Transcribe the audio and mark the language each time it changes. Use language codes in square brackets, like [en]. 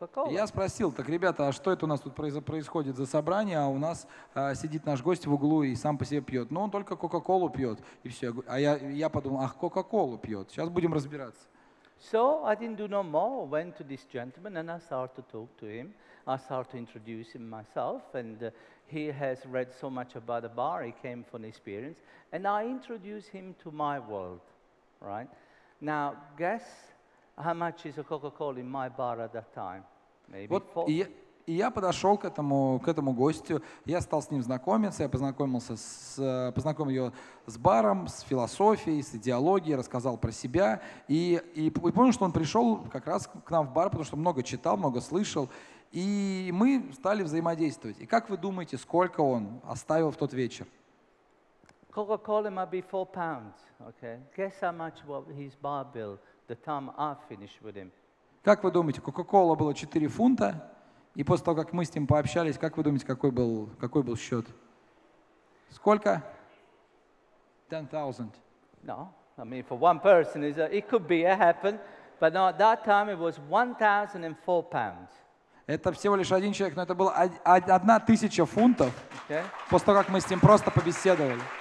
[ru] Я спросил, так, ребята, а что это у нас тут происходит за собрание, а у нас сидит наш гость в углу и сам по себе пьет. Ну, он только Кока-Колу пьет, и все. А я подумал, ах, Кока-Колу пьет. Сейчас будем разбираться. [en] So, I didn't do no more, went to this gentleman, and I started to talk to him. I started to introduce him myself, and he has read so much about the bar, he came from experience. And I introduced him to my world, right? Now, guess how much is a Coca-Cola in my bar at that time? Maybe [ru] вот я подошел к этому гостю, я стал с ним знакомиться, я познакомил его с баром, с философией, с идеологией, рассказал про себя. И помню, что он пришел как раз к нам в бар, потому что много читал, много слышал. И мы стали взаимодействовать. И как вы думаете, сколько он оставил в тот вечер? [en] Coca-Cola might be £4, okay? Guess how much his bar bill the time I finished with him. [ru] Как вы думаете, Coca-Cola было 4 фунта, и после того, как мы с ним пообщались, как вы думаете, какой был счет? Сколько? 10,000. [en] No, I mean, for one person, it could be, it happened, but no, at that time it was £1,004. [ru] Это всего лишь один человек, но это было 1000 фунтов, okay. После того, как мы с ним просто побеседовали.